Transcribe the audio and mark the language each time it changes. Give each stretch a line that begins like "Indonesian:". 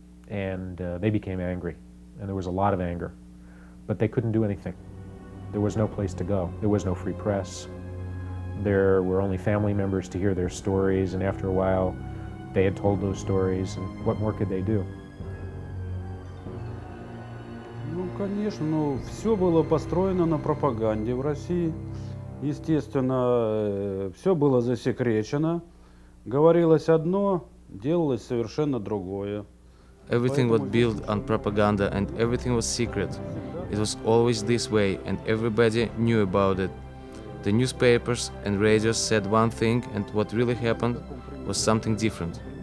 English: And they became angry, and there was a lot of anger. But they couldn't do anything. There was no place to go. There was no free press. There were only family members to hear their stories, and after a while, they had told those stories, and what more could they do?
Russian: Ну, конечно, все было построено на пропаганде в России. Естественно, все было засекречено. Говорилось одно, делалось совершенно другое.
English: Everything was built on propaganda and everything was secret. It was always this way and everybody knew about it. The newspapers and radios said one thing and what really happened was something different.